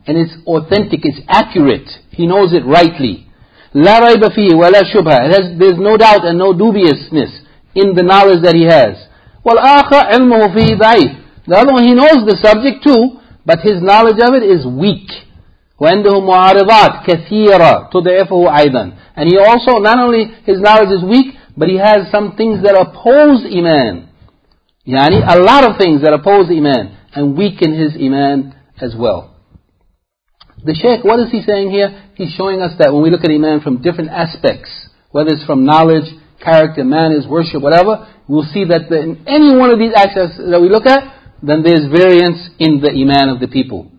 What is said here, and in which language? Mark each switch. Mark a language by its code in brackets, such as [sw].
[en] And it's authentic, it's accurate. He knows it rightly. [ar] لَا رَيْبَ فِيهِ وَلَا شُبْهَ. [en] There's no doubt and no dubiousness in the knowledge that he has. [ar] وَالْآخَ عِلْمُهُ فِيهِ ضَعِيفٌ. [en] The other one, he knows the subject too, but his knowledge of it is weak. [ar] وَعِنْدَهُ مُعَارِضَاتْ كَثِيرًا تُضْعِفُهُ أَيْضًا. [en] And he also, not only his knowledge is weak, but he has some things that oppose iman. Yani, a lot of things that oppose iman. and weaken his iman as well. The Shaykh, what is he saying here? He's showing us that when we look at iman from different aspects, whether it's from knowledge, character, manners, worship, whatever, we'll see that in any one of these aspects that we look at, then there's variance in the iman of the people.